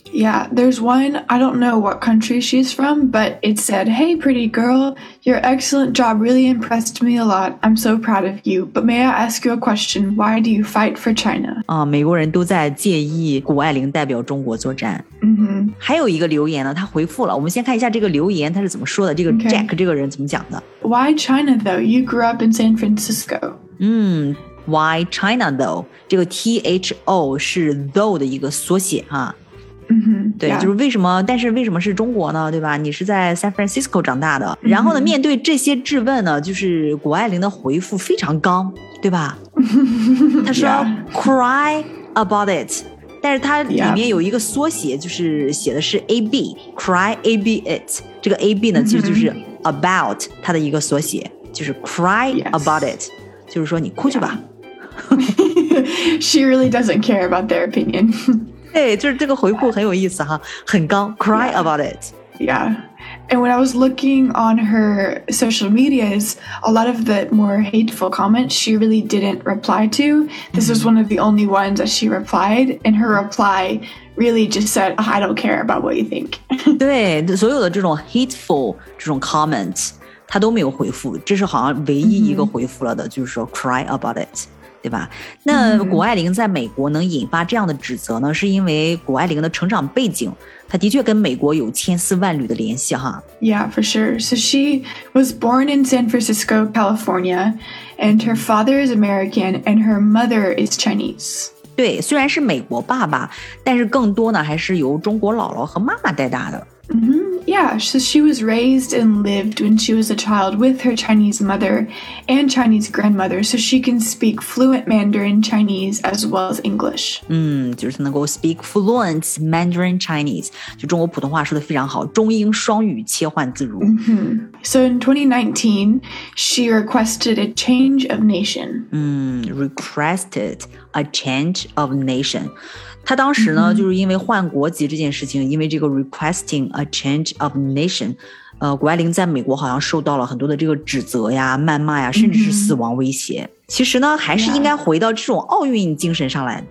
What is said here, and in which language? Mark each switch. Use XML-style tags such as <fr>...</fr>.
<en>Yeah, there's one, I don't know what country she's from, but it said, hey, pretty girl, your excellent job really impressed me a lot. I'm so proud of you. But may I ask you a question? Why do you fight for China?</en> <zh>啊，美国人都在介意谷爱凌代表中国作战。 Mm-hmm. 还有一个留言呢，他回复了。我们先看一下这个留言他是怎么说的，这个 Jack、okay. 这个人怎么讲的。</zh> <en>Why China, though? You grew up in San Francisco. 嗯。Why China though?</en> <zh>这个 T-H-O 是 though 的一个缩写哈、啊 mm-hmm, 对、 yeah. 就是为什么但是为什么是中国呢对吧你是在 San Francisco 长大的、mm-hmm. 然后呢面对这些质问呢就是谷爱凌的回复非常刚对吧他说、 yeah.</zh> <en>cry about it</en> <zh>但是他里面有一个缩写就是写的是 AB、yeah. cry AB it 这个 AB 呢其实就是 about 他的一个缩写就是 cry、 yes. about it就是说你哭去吧、yeah.</zh> <en>She really doesn't care about their opinion.</en> <zh>对就是这个回复很有意思哈很刚 cry yeah.</zh> <en>about it. Yeah. And when I was looking on her social medias, a lot of the more hateful comments she really didn't reply to. This was one of the only ones that she replied. And her reply really just said,、oh, I don't care about what you think.</en> <zh>对所有的这种 hateful 这种 comments, 她都没有回复这是好像唯一一个回复了的、mm-hmm. 就是说 cry about it. 对吧那谷爱凌在美国能引发这样的指责呢、嗯、是因为谷爱凌的成长背景她的确跟美国有千丝万缕的联系哈</zh> <en>Yeah, for sure. So she was born in San Francisco, California, and her father is American and her mother is Chinese.</en> <zh>对虽然是美国爸爸但是更多呢还是由中国姥姥和妈妈带大的。 Mm-hmm.</zh> <en>Yeah, so she was raised and lived when she was a child with her Chinese mother and Chinese grandmother, so she can speak fluent Mandarin Chinese as well as English.</en> <zh>就是能够</zh> <en>speak fluent Mandarin Chinese,</en> <zh>就中国普通话说得非常好中英双语切换自如。 Mm-hmm.</zh> <en>So in 2019, she requested a change of nation. Requested a change of nation.</en> <zh>他当时呢、mm-hmm. 就是因为换国籍这件事情因为这个</zh> <en>requesting a change of nation,</en> <zh>谷爱凌在美国好像受到了很多的这个指责呀谩骂呀甚至是死亡威胁。 Mm-hmm. 其实呢还是应该回到这种奥运精神上来、yeah.</zh>